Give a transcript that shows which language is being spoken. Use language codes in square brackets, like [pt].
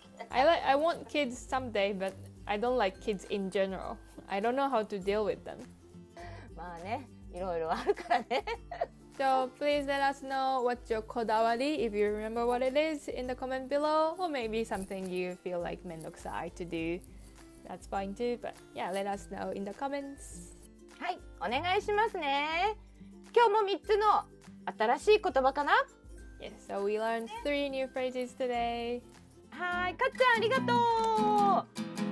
[en] I want kids someday, but I don't like kids in general. I don't know how to deal with them. [ja] まあね、いろいろあるからね。 [en] So please let us know what's your kodawari, if you remember what it is, in the comment below, or maybe something you feel like mendokusai to do. That's fine too, but yeah, let us know in the comments. [ja] はい、お願いしますね。今日も3つの新しい言葉かな? [en] Yes, so we learned three new phrases today. [ja] はい、かっちゃんありがとう。